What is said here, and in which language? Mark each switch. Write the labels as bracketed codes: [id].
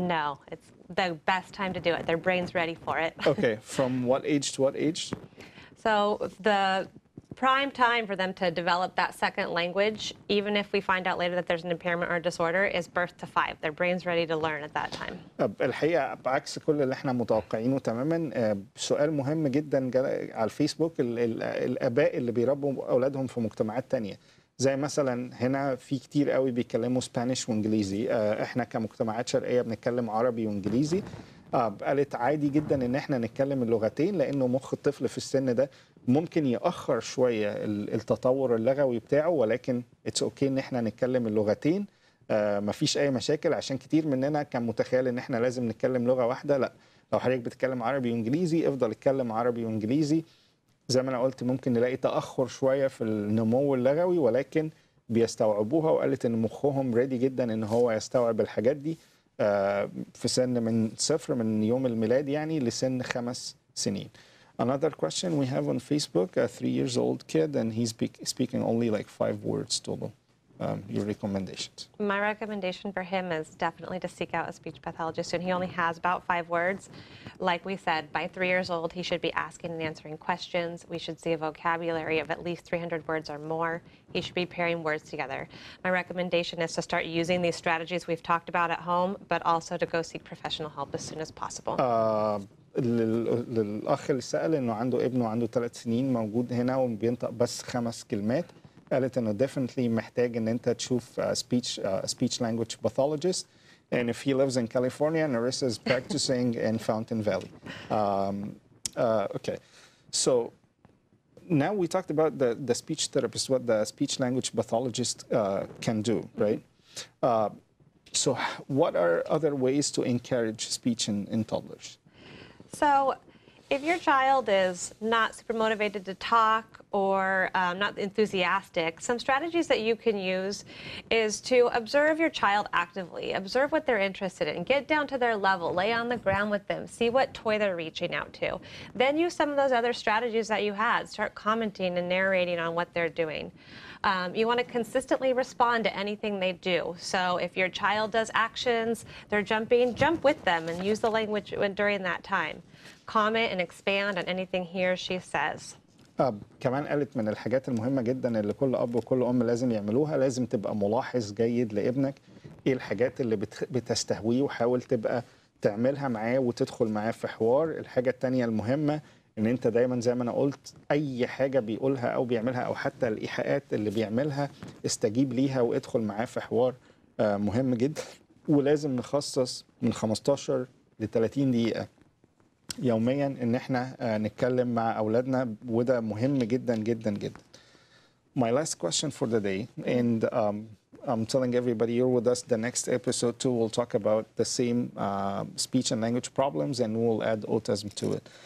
[en] No, it's the best time to do it. Their brain's ready for it. Okay, from what age to what age? So the prime time for them to develop that second language, even if we find out later that there's an impairment or disorder, is birth to 5. Their brain's ready to learn at that time. [ar] الحقيقة بعكس كل اللي احنا متوقعينه تماما. سؤال مهم جدا على الفيسبوك، الاباء اللي بيربوا اولادهم في مجتمعات تانية زي مثلا هنا في كتير قوي بيتكلموا سبانيش وانجليزي، احنا كمجتمعات شرقية بنتكلم عربي وانجليزي. قالت عادي جدا ان احنا نتكلم اللغتين لانه مخ الطفل في السن ده ممكن يأخر شوية التطور اللغوي بتاعه، ولكن [en] it's okay [ar] ان احنا نتكلم اللغتين، مفيش اي مشاكل. عشان كتير مننا كان متخيل ان احنا لازم نتكلم لغة واحدة، لا، لو حضرتك بتتكلم عربي وانجليزي افضل اتكلم عربي وانجليزي. زي ما انا قلت ممكن نلاقي تأخر شوية في النمو اللغوي ولكن بيستوعبوها، وقالت ان مخهم ready جدا ان هو يستوعب الحاجات دي في سن من 0 من يوم الميلاد يعني لسن 5 سنين. [en] Another question we have on Facebook, a 3-year-old kid, and he's speaking only like 5 words total. Your recommendations? My recommendation for him is definitely to seek out a speech pathologist, and he only has about 5 words. Like we said, by 3 years old, he should be asking and answering questions. We should see a vocabulary of at least 300 words or more. He should be pairing words together. My recommendation is to start using these strategies we've talked about at home, but also to go seek professional help as soon as possible. [ar] للأخ اللي سأل إنه عنده ابنه عنده 3 سنين موجود هنا وبينطق بس 5 كلمات قالت إنه definitely محتاج إن أنت تشوف speech language pathologist [en] and if he lives in California, Narissa is practicing in Fountain Valley. Okay, so now we talked about the speech therapist, what the speech language pathologist can do, right? So what are other ways to encourage speech in toddlers? So if your child is not super motivated to talk or not enthusiastic, some strategies that you can use is to observe your child actively. Observe what they're interested in. Get down to their level. Lay on the ground with them. See what toy they're reaching out to. Then use some of those other strategies that you had. Start commenting and narrating on what they're doing. You want to consistently respond to anything they do. So if your child does actions, they're jumping, jump with them and use the language during that time. Comment and expand on anything he or she says. [ar] كمان قالت من الحاجات المهمة جدا اللي كل أب وكل أم لازم يعملوها لازم تبقى ملاحظ جيد لابنك إيه الحاجات اللي بتستهويه وحاول تبقى تعملها معاه وتدخل معاه في حوار. الحاجة التانية المهمة إن أنت دايما زي ما أنا قلت أي حاجة بيقولها أو بيعملها أو حتى الإيحاءات اللي بيعملها استجيب ليها وادخل معاه في حوار مهم جدا ولازم نخصص من 15 ل 30 دقيقة يوميا إن إحنا نتكلم مع أولادنا وده مهم جدا جدا جدا. [en] My last question for the day and I'm telling everybody you're with us the next episode too we'll talk about the same speech and language problems and we'll add autism to it.